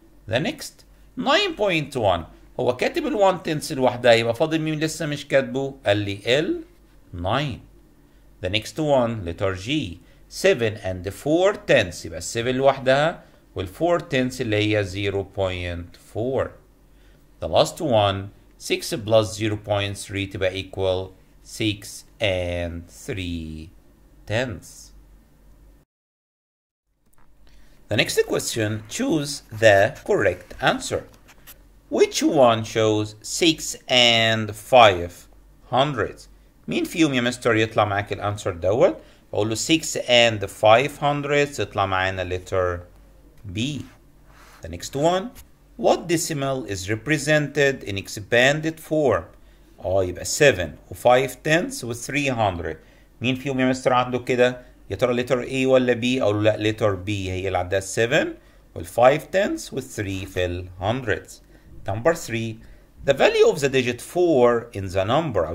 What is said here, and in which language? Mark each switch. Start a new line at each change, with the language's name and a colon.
English: The next
Arabic: 9.1 هو كاتب ال 1 tenths لوحدها يبقى فاضل مين لسه مش كاتبه؟ قال لي ال 9.
English: The next one letter G 7 and 4 tenths
Arabic: يبقى 7 لوحدها وال
English: 4 tenths
Arabic: اللي هي
English: 0.4. The last one 6 plus 0.3
Arabic: تبقى
English: equal 6 and 3 tenths. The next question, choose the correct answer. Which one shows 6 and 5 hundredths?
Arabic: مين فيهم يا مستر يطلع معاك الانسر دوت؟ بقول له
English: 6 and 5 hundredths
Arabic: يطلع معانا letter B.
English: The next one, what decimal is represented in expanded form?
Arabic: يبقى 7 و 5 tenths و 300. مين فيهم يا مستر عنده كده؟ يا ترى letter A ولا B؟ اقول له لا letter B هي اللي عندها 7 وال 5 tenths و 3 في ال hundredths.
English: Number 3, the value of the digit 4 in the number.